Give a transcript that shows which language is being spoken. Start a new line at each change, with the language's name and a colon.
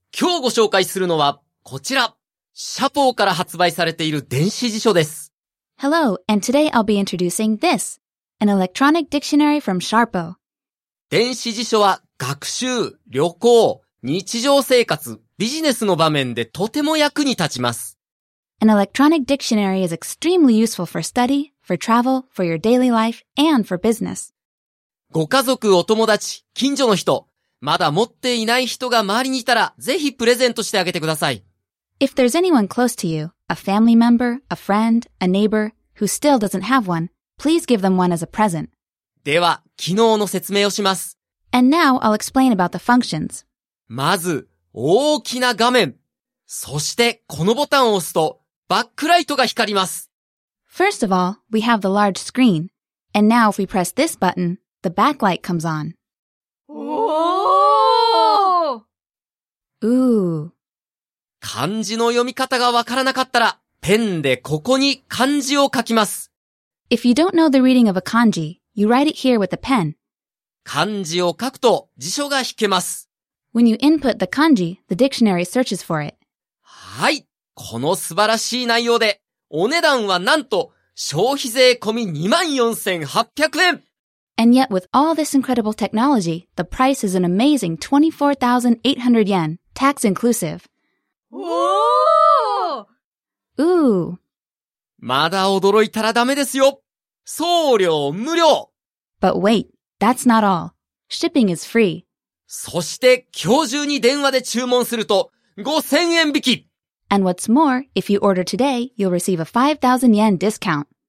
Japanese: 今日ご紹介するのはこちら。シャポーから発売されている電子辞書です。
English: Hello, and today I'll be introducing this. An electronic dictionary from Sharpo.
Japanese: 電子辞書は学習、旅行、日常生活、ビジネスの場面でとても役に立ちます。
English: An electronic dictionary is extremely useful for study, for travel, for your daily life, and for business.
Japanese: ご家族、お友達、近所の人、まだ持っていない人が周りにいたら、ぜひプレゼントしてあげてください。
English: If there's anyone close to you, a family member, a friend, a neighbor, who still doesn't have one, please give them one as a present.
Japanese: では、機能の説明をします。
English: And now I'll explain about the functions.
Japanese: まず、大きな画面。そして、このボタンを押すと、バックライトが光ります。
English: First of all, we have the large screen. And now if we press this button, the backlight comes on. おー! うー。
Japanese: 漢字の読み方がわからなかったら、ペンでここに漢字を書きます。
English: If you don't know the reading of a kanji, you write it here with a pen.
Japanese: 漢字を書くと辞書が引けます。
English: When you input the kanji, the dictionary searches for it.
Japanese: はい。この素晴らしい内容で、お値段はなんと、消費税込み 24,800円!
English: And yet with all this incredible technology, the price is an amazing 24,800 yen, tax inclusive. おー! Ooh.
Japanese: まだ驚いたらダメですよ。送料無料!
English: But wait, that's not all. Shipping is free.
Japanese: そして今日中に電話で注文すると5000円引き。
English: And what's more, if you order today, you'll receive a 5000 yen discount.